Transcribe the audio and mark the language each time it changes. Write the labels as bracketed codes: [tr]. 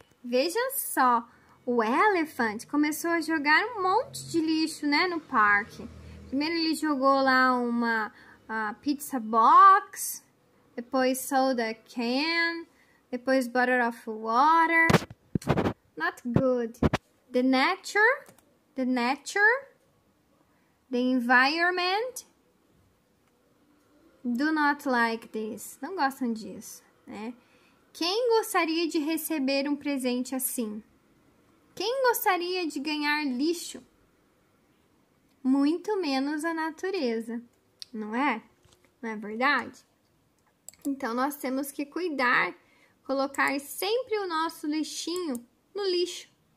[pt] Veja só, o Elephant começou a jogar um monte de lixo, né, no parque. Primeiro ele jogou lá uma [en] pizza box, [pt] depois [en] soda can, [pt] depois [en] bottle of water. Not good. The nature, the environment, do not like this. [pt] Não gostam disso, né? Quem gostaria de receber um presente assim? Quem gostaria de ganhar lixo? Muito menos a natureza, não é? Não é verdade? Então, nós temos que cuidar, colocar sempre o nosso lixinho no lixo.